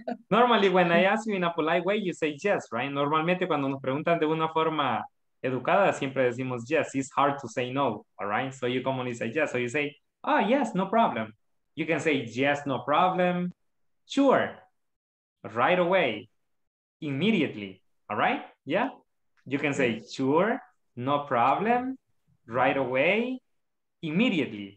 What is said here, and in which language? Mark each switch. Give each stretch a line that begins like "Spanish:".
English: Normally, when I ask you in a polite way, you say yes, right?
Spanish: Normalmente, cuando nos preguntan de una forma educada, siempre decimos yes.
English: It's hard to say no, all right? So you commonly say yes. So you say, oh, yes, no problem. You can say, yes, no problem. Sure. Right away. Immediately. All right? Yeah? You can say, sure, no problem. Right away. Immediately.